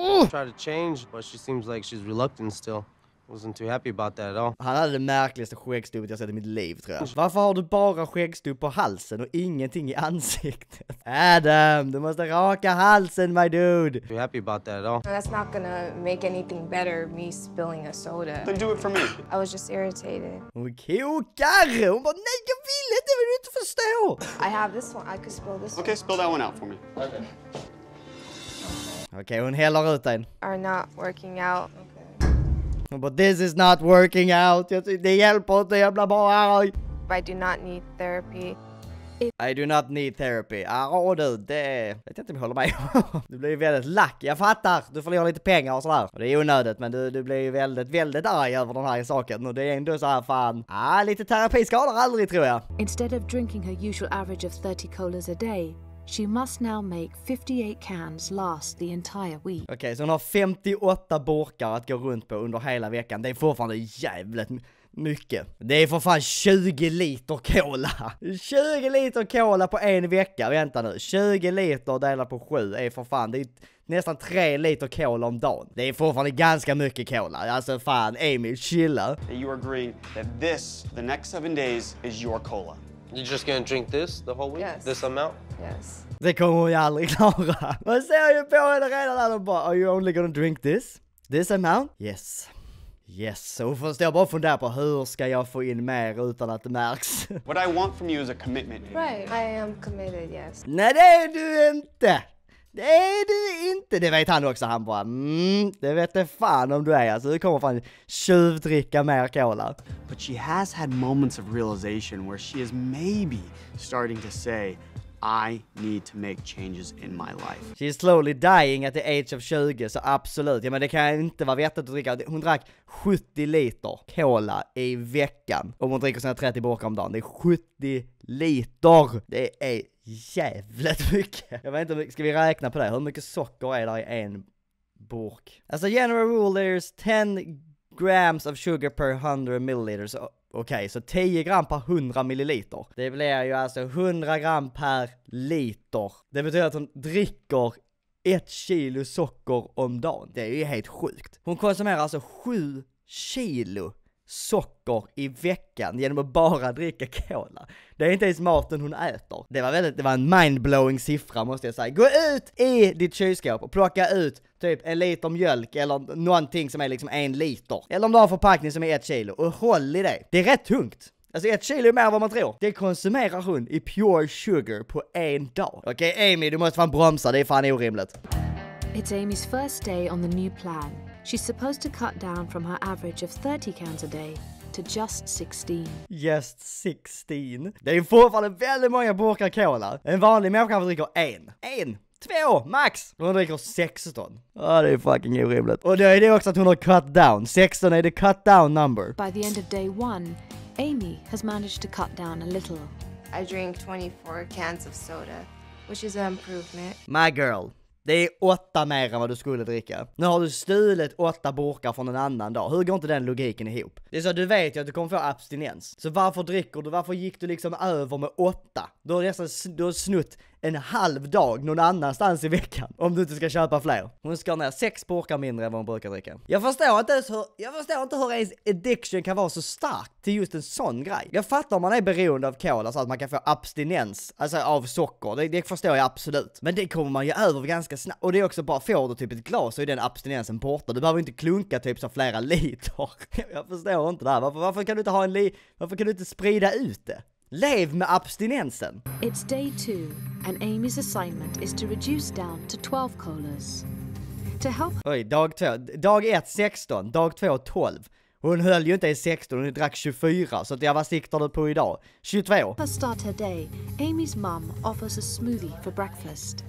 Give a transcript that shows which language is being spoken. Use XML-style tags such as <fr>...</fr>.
<en>try to change, but she seems like she's reluctant still. Wasn't too happy about that at all.</en> <sv>Han hade det märkligaste skäggstubbet jag sett i mitt liv, tror jag. Varför har du bara skäggstubb på halsen och ingenting i ansiktet? Adam, du måste raka halsen,</sv> <en>my dude. Too happy about that at all. No, that's not gonna make anything better, me spilling a soda. Then do it for me. I was just irritated.</en> <sv>Hon kokar! Hon bara, nej, jag vill inte, vill du inte förstå?</sv> <en>I have this one, I could spill this one. Okay, spill that one out for me.</en> <sv>Okay, hon häller ut en.</sv> <en>Are not working out. But this is not working out.</en> <sv>Det hjälper inte, jag blir bara arg.</sv> <en>I do not need therapy. I do not need therapy.</en> <sv>Åh du, det... Jag vet inte om jag håller mig. Du blir väldigt lack, jag fattar. Du förlorar lite pengar och sådär. Och det är onödigt, men du blir ju väldigt, väldigt arg över den här saken. Och det är ändå så här fan... lite terapi skadar aldrig, tror jag.</sv> <en>Instead of drinking her usual average of 30 colas a day, she must now make 58 cans last the entire week.</en> <sv>Okej, så hon har 58 burkar att gå runt på under hela veckan. Det är fortfarande jävligt... mycket. Det är för fan 20 liter cola. 20 liter cola på en vecka. Vänta nu. 20 liter delat på 7 är för fan. Det är nästan 3 liter cola om dagen. Det är fortfarande ganska mycket cola. Alltså fan, Emil, chilla.</sv> <en>You agree that this, the next 7 days, is your cola. You're just gonna drink this the whole week? Yes. This amount? Yes.</en> <sv>Det kommer hon ju aldrig klara. Man ser ju på henne redan där och bara,</sv> <en>are you only gonna drink this? This amount? Yes.</en> <sv>Yes, och förstår bara fundera på hur ska jag få in mer utan att det märks.</sv> <en>What I want from you is a commitment. Right, I am committed, yes.</en> <sv>Nej, det är du inte. Det är du inte. Det vet han också, han bara, det vet det fan om du är. Alltså, du kommer fan tjuvdricka mer cola.</sv> <en>But she has had moments of realization where she is maybe starting to say, I need to make changes in my life. She's slowly dying at the age of 20,</en> <sv>så absolut. Ja, men det kan inte vara vettigt att dricka. Hon drack 70 liter cola i veckan. Om hon dricker sina 30 burkar om dagen. Det är 70 liter. Det är jävligt mycket. Jag vet inte, ska vi räkna på det? Hur mycket socker är det i en burk?</sv> <en>Alltså, general rule, there's 10 grams of sugar per 100 milliliters.</en> <sv>Okej, så 10 gram per 100 milliliter. Det blir ju alltså 100 gram per liter. Det betyder att hon dricker 1 kilo socker om dagen. Det är ju helt sjukt. Hon konsumerar alltså 7 kilo socker i veckan genom att bara dricka cola. Det är inte ens maten hon äter. Det var en mindblowing siffra, måste jag säga. Gå ut i ditt kylskåp och plocka ut typ en liter mjölk eller någonting som är liksom en liter. Eller om du har förpackning som är 1 kilo. Och håll i det. Det är rätt tungt. Alltså 1 kilo är mer än vad man tror. Det konsumerar hon i</sv> <en>pure sugar</en> <sv>på en dag. Okej, Amy, du måste fan bromsa. Det är fan orimligt.</sv> <en>It's Amy's first day on the new plan. She's supposed to cut down from her average of 30 cans a day to just 16. Just 16.</en> <sv>Det är fortfarande väldigt många burkar cola. En vanlig människa dricker en. En. 2 max. Hon dricker 16. Ja, oh, det är fucking orimligt. Och det är det också att hon har</sv> <en>cut down. 16</en> <sv>är</sv> <en>the cut down number. By the end of day 1, Amy has managed to cut down a little. I drink 24 cans of soda, which is an improvement. My girl.</en> <sv>Det är 8 mer än vad du skulle dricka. Nu har du stulit 8 burkar från en annan dag. Hur går inte den logiken ihop? Det är så att du vet ju att du kommer få abstinens. Så varför dricker du? Varför gick du liksom över med 8? Du har nästan snutt en halv dag någon annanstans i veckan. Om du inte ska köpa fler. Hon ska ner 6 burkar mindre än vad hon brukar dricka. Jag förstår inte hur ens addiction kan vara så stark till just en sån grej. Jag fattar om man är beroende av cola så att man kan få abstinens. Alltså av socker. Det förstår jag absolut. Men det kommer man ju över ganska snabbt. Och det är också bara får du typ ett glas så är den abstinensen borta. Du behöver inte klunka typ så flera liter. Jag förstår inte det här. Varför kan du inte sprida ut det? Lev med abstinensen.</sv> <en>It's day 2 and Amy's assignment is to reduce down to 12 colas. To help.</en> <sv>Oj, dag 1 16, dag 2 12. Hon höll ju inte i 16, hon drack 24, så det jag var siktade på idag. 22. To start her day, Amy's mom offers a smoothie for breakfast.</sv>